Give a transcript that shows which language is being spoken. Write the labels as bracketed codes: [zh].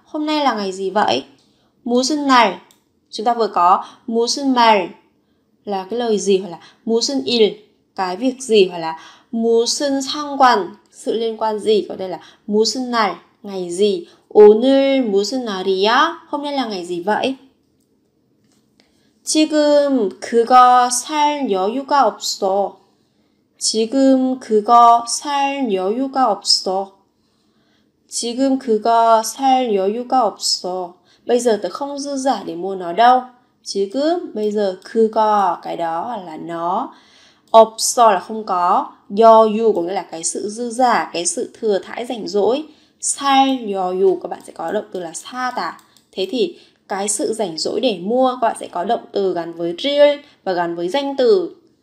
[vi] Hôm nay là ngày gì vậy? [ko] 무슨 날? [vi] Chúng ta vừa có 무슨 말 là cái lời gì, hoặc là 무슨 일 cái việc gì, hoặc là 무슨 상관 sự liên quan gì, có đây là 무슨 날 ngày gì. [ko] 오늘 무슨 날이야? [vi] Hôm nay là ngày gì vậy? [ko] 지금 그거 살 여유가 없어. 지금 그거 살 여유가 없어. 지금 그거 살 여유가 없어. [vi] Bây giờ tớ không dư dả để mua nó đâu. [ko] 지금 [vi] bây giờ [ko] 그거 [vi] cái đó là nó. 없어 là không có. 여유 có nghĩa là cái sự dư dả, cái sự thừa thãi rảnh rỗi. 살 여유 các bạn sẽ có động từ là 사다. Thế thì cái sự rảnh rỗi để mua các bạn sẽ có động từ gắn với 릴 và gắn với danh từ.